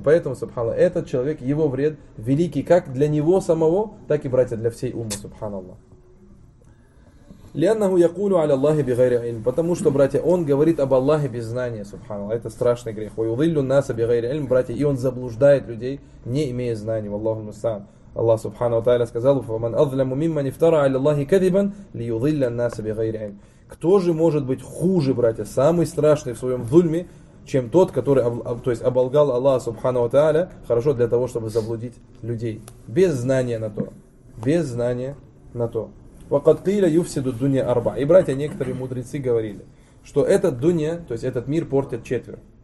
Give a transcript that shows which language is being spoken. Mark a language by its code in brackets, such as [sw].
[ru] Поэтому, субханаллах, этот человек, его вред великий как для него самого, так и, братья, для всей уммы, субханаллах. [ar] لأنه يقول على الله بغير علم, [ru] потому что, братья, он говорит об Аллахе без знания, субханаллах, это страшный грех. [ar] ويضل الناس بغير علم, [ru] братья, и он заблуждает людей, не имея знаний. [ar] والله المستعان. [ru] Аллах субханаху ва тааля сказал: [ar] "ومن أظلم ممن افترى على الله كذبا ليضل الناس بغير علم". [ru] Кто же может быть хуже, братья, самый страшный в своем зульме, чем тот, который, то есть, оболгал Аллаха субханаху ва тааля, хорошо, для того, чтобы заблудить людей, без знания на то. Без знания на то. [ar] وَقَدْ قِيلَ يُفْسِدُ الدُّنْيَا أَرْبَعْ. [ru] И, братья, некоторые мудрецы говорили, что этот дунья, то есть этот мир, портят четверо.